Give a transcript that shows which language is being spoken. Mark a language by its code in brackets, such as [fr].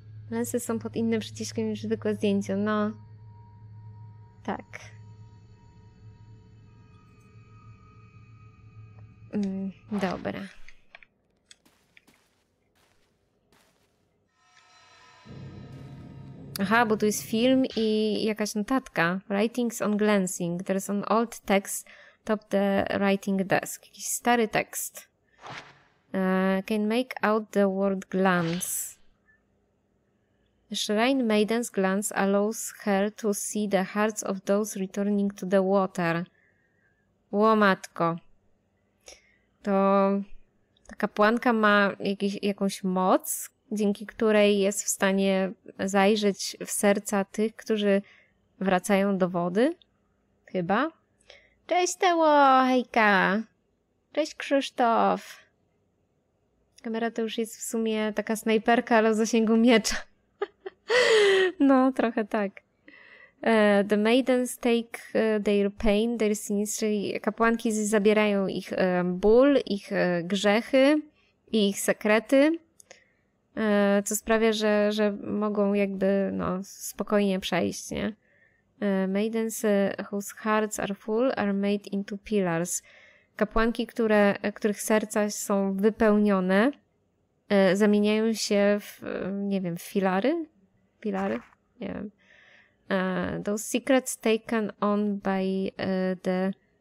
[pl] Lensy są pod innym przyciskiem niż zwykłe zdjęcie, no. Tak. Dobra. Aha, bo tu jest film i jakaś notatka. [en] Writings on glancing. There is an old text top the writing desk. [pl] Jakiś stary tekst. [en] Can make out the word glance. Shrine maiden's glance allows her to see the hearts of those returning to the water. [pl] Łomatko. To ta kapłanka ma jakąś moc, dzięki której jest w stanie zajrzeć w serca tych, którzy wracają do wody? Chyba? Cześć Teło, hejka! Cześć Krzysztof! Kamera to już jest w sumie taka snajperka, ale o zasięgu miecza. No, trochę tak. [en] The maidens take their pain, their sins, [pl] czyli kapłanki zabierają ich ból, ich grzechy i ich sekrety. Co sprawia, że mogą jakby no, spokojnie przejść, nie? [en] Maidens whose hearts are full are made into pillars. [pl] Kapłanki, których serca są wypełnione, zamieniają się w, nie wiem, w filary? Pilary? Nie wiem. [en] Those secrets taken on by the...